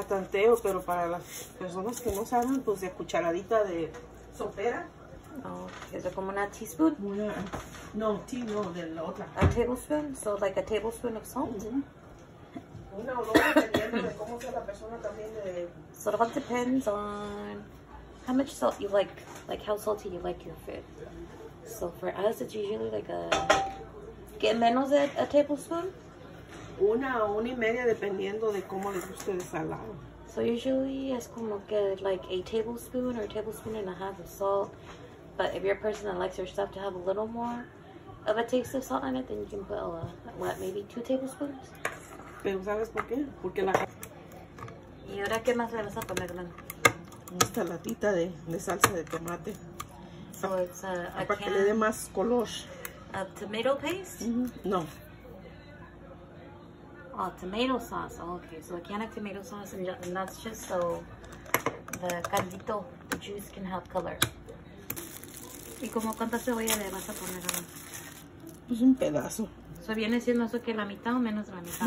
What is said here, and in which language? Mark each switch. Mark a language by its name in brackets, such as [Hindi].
[Spanish] le a tanteo, pero para las personas que no saben, pues de cucharadita de sopera. Oh, ¿es como una teaspoon? No, de la otra. [English] A tablespoon, so like a tablespoon of salt. Mm-hmm. [Spanish] Una o dos, dependiendo de cómo sea la persona también. [English] Sort of all depends on how much salt you like how salty you like your food. So for us, it's usually like a, [Spanish] ¿qué menos de [English] a tablespoon? [Spanish] Una o una y media, dependiendo de cómo les guste de salado. [English] So usually [Spanish] es como que [English] like a tablespoon or a tablespoon and a half of salt. But if you're a person that likes your stuff to have a little more of a taste of salt in it, then you can put a lot, what, maybe two tablespoons? [Spanish] Pero ¿sabes por qué? Porque la... ¿Y ahora qué más le vas a poner, Glenn? Esta latita de salsa de tomate. [English] So it's a [Spanish] para que le dé más color. [English] A tomato paste? Mm-hmm. No. Oh, tomato sauce. Oh, okay, so a can of tomato sauce, and that's just so the caldito, the juice, can help color. [Spanish] ¿Y como cuánta cebolla le vas a poner ahora? Pues un pedazo. ¿Eso viene siendo eso que la mitad o menos de la mitad?